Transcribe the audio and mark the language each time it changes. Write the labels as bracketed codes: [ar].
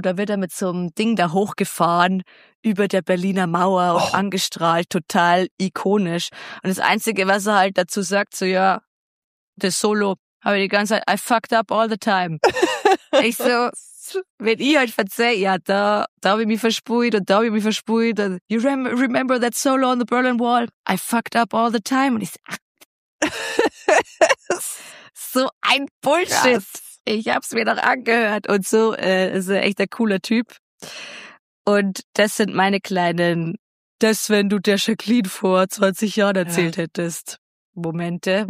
[de] Da wird er mit so einem Ding da hochgefahren, über der Berliner Mauer, auch angestrahlt, total ikonisch. Und das Einzige, was er halt dazu sagt, so ja, das Solo, habe ich die ganze Zeit, [en] I fucked up all the time. [de] Ich so, wenn ich halt verzeih, ja, da habe ich mich verspult und da habe ich mich verspult. [en] Und, you remember that solo on the Berlin Wall? I fucked up all the time. [de] Und ich so, so ein Bullshit. Krass. Ich hab's mir noch angehört. Und so, ist er echt ein cooler Typ. Und das sind meine kleinen, das, wenn du der Jacqueline vor 20 Jahren erzählt hättest, Momente.